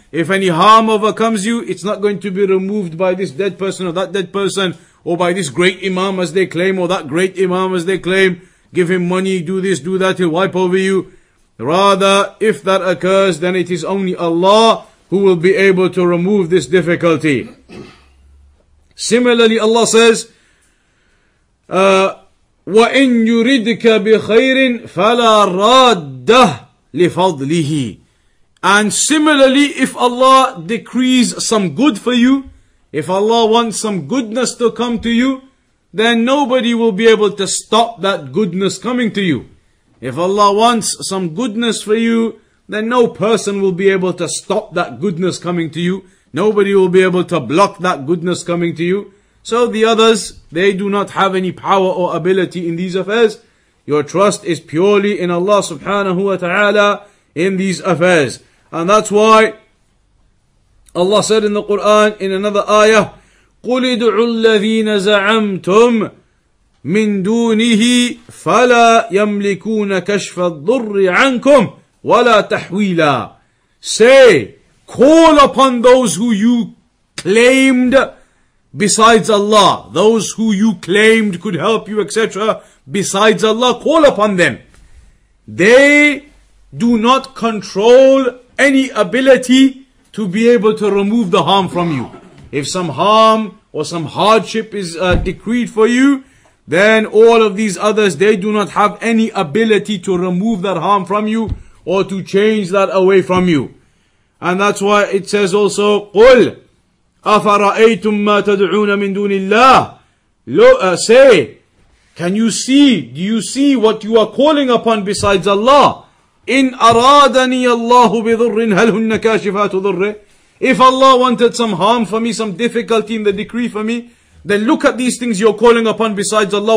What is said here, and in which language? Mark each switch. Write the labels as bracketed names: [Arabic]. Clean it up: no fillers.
[English] If any harm overcomes you, it's not going to be removed by this dead person or that dead person, or by this great imam as they claim, or that great imam as they claim. Give him money, do this, do that, he'll wipe over you. Rather, if that occurs, then it is only Allah who will be able to remove this difficulty. Similarly, Allah says, [Arabic] وَإِنْ يُرِدْكَ بِخَيْرٍ فَلَا رَادَّهُ لِفَضْلِهِ. [English] And similarly, if Allah decrees some good for you, if Allah wants some goodness to come to you, then nobody will be able to stop that goodness coming to you. If Allah wants some goodness for you, then no person will be able to stop that goodness coming to you. Nobody will be able to block that goodness coming to you. So the others, they do not have any power or ability in these affairs. Your trust is purely in Allah subhanahu wa ta'ala in these affairs. And that's why Allah said in the Quran in another ayah, [Arabic] قُلِ ادْعُوا الَّذِينَ زَعَمْتُمْ مِنْ دُونِهِ فَلَا يَمْلِكُونَ كَشْفَ الضُّرِّ عَنْكُمْ وَلَا تَحْوِيلًا. [English] Say, call upon those who you claimed besides Allah, those who you claimed could help you, etc., besides Allah, call upon them. They do not control any ability to be able to remove the harm from you. If some harm or some hardship is decreed for you, then all of these others, they do not have any ability to remove that harm from you or to change that away from you. And that's why it says also, [Arabic] قُلْ أَفَرَأَيْتُمْ مَا تَدْعُونَ مِن دُونِ اللَّهِ. [English] Say, can you see, do you see what you are calling upon besides Allah? [Arabic] إِنْ أَرَادَنِيَ اللَّهُ بِذُرِّنْ هَلْ هُنَّ كَاشِفَاتُ ذُرِّهِ. [English] If Allah wanted some harm for me, some difficulty in the decree for me, then look at these things you're calling upon besides Allah.